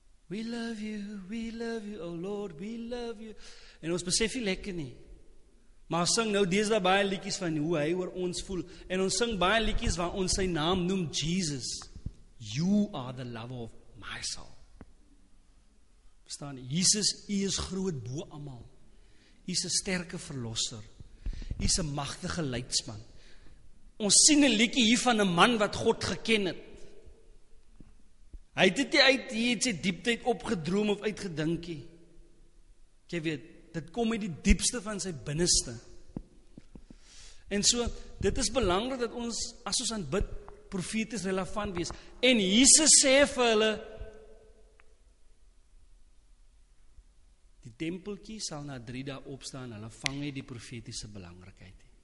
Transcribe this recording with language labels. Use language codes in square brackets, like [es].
[en] We love you, oh Lord, we love you. [af] En ons besef nie lekker nie. Maar ons sing nou deze baie liedjies van hoe hy oor ons voel. En ons sing baie liedjies waar ons sy naam noem, Jesus. [en] You are the love of my soul. [af] Verstaan, Jesus, u is groot bo almal. U is 'n sterke verlosser. U is 'n magtige leidsman. Ons sien 'n liedjie hier van 'n man wat God geken het. Hy het dit nie uit hier sy diepte uit opgedroom of uitgedink nie. Jy weet, dit kom uit die diepste van sy binneste. En so, dit is belangrik dat ons, as ons aanbid, profeties relevant wees. En Jesus sê vir hulle, tempeltjie sal na 3 dae opstaan, hulle vang nie die profetiese belangrikheid.